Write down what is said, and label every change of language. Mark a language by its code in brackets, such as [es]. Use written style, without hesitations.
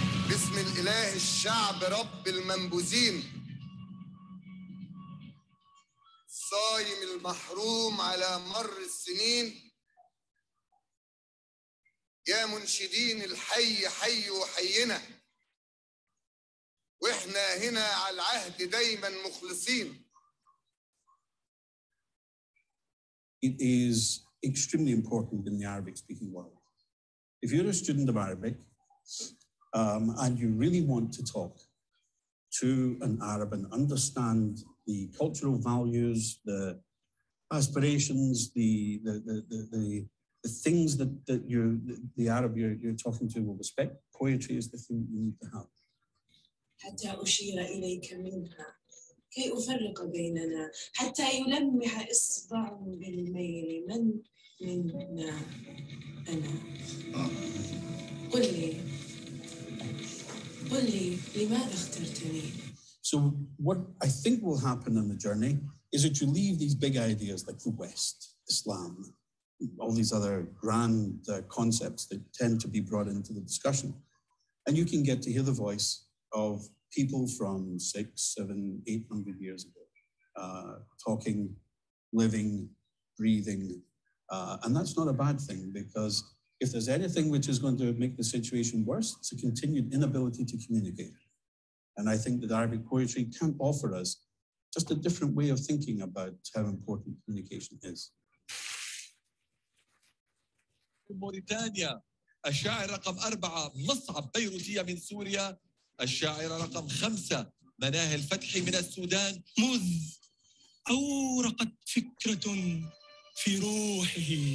[ar] بسم الإله الشعب رب المنبوذين صايم المحروم على مر السنين يا منشدين الحي حي وحينا واحنا هنا على العهد دايما مخلصين. [en] It is extremely important in the Arabic speaking world. If you're a student of Arabic and you really want to talk to an Arab and understand the cultural values, the aspirations, the things that you, the Arab you're talking to will respect, poetry is the thing you need to have. [ar] حتى أشير إليك منها كي أفرق بيننا حتى يلمح إصبع بالميل من منا أنا قل لي لماذا اخترتني. [en] So what I think will happen on the journey is that you leave these big ideas like the West, Islam, all these other grand concepts that tend to be brought into the discussion. And you can get to hear the voice of people from 600, 700, 800 years ago, talking, living, breathing. And that's not a bad thing, because if there's anything which is going to make the situation worse, it's a continued inability to communicate. And I think that Arabic poetry can offer us just a different way of thinking about how important communication is. [ar] موريتانيا الشاعر رقم 4 مصعب بيروتية من سوريا الشاعر رقم 5 مناهي الفتح من السودان مذ أورقت فكرة في روحه.